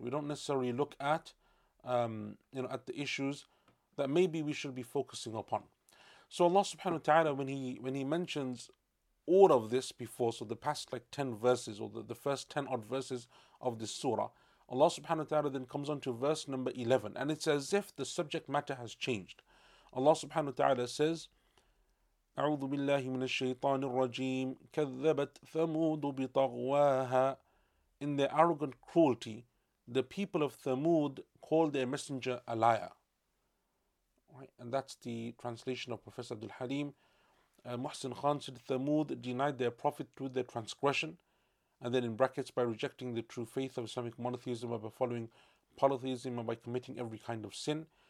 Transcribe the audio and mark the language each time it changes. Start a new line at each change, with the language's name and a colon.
English: We don't necessarily look at at the issues that maybe we should be focusing upon. So Allah subhanahu wa ta'ala, when he mentions all of this before, so the past like 10 verses or the first 10 odd verses of this surah, Allah subhanahu wa ta'ala then comes on to verse number 11, and it's as if the subject matter has changed.
Arabic: Allah subhanahu wa ta'ala says, أعوذ بالله من الشيطان الرجيم كذبت ثمود بطغواها.
English: In their arrogant cruelty, the people of Thamud called their messenger a liar. Right? And that's the translation of Professor Abdul Halim. Muhsin Khan said, Thamud denied their prophet through their transgression, and then in brackets, by rejecting the true faith of Islamic monotheism, by following polytheism, and by committing every kind of sin.